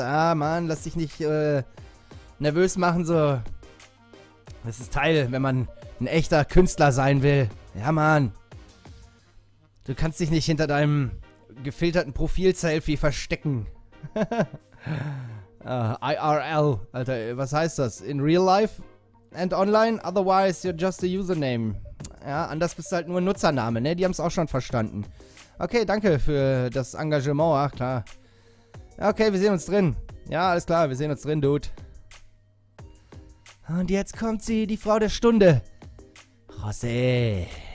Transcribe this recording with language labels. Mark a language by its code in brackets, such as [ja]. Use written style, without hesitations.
[de] Ah, Mann, lass dich nicht nervös machen, so. Das ist Teil, wenn man ein echter Künstler sein will. Ja, Mann. Du kannst dich nicht hinter deinem gefilterten Profil-Selfie verstecken. IRL, Alter, was heißt das? [en] In real life and online, otherwise you're just a username. [de] Ja, anders bist du halt nur ein Nutzername, ne? Die haben es auch schon verstanden. Okay, danke für das Engagement, ach klar. Okay, wir sehen uns drin. Ja, alles klar, wir sehen uns drin, Dude. Und jetzt kommt sie, die Frau der Stunde. José.